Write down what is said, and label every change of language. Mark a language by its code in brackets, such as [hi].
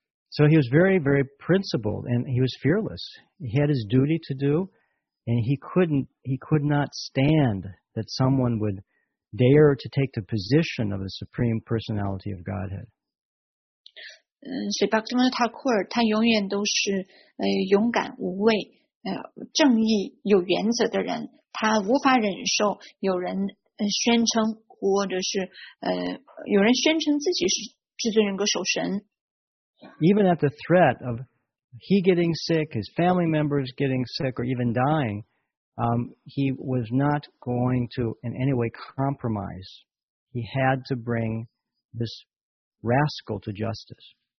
[en] So he was very, very principled, and he was fearless. He had his duty to do, and he could not stand that someone would dare to take the position of the Supreme Personality of Godhead. So Bhaktivinoda Thakur, he [zh] 永远都是勇敢无畏、正义有原则的人。他无法忍受有人宣称或者是有人宣称自己是至尊人格守神。 [en] even at the threat of he getting sick, his family members getting sick, or even dying, he was not going to in any way compromise. He had to bring this rascal to justice.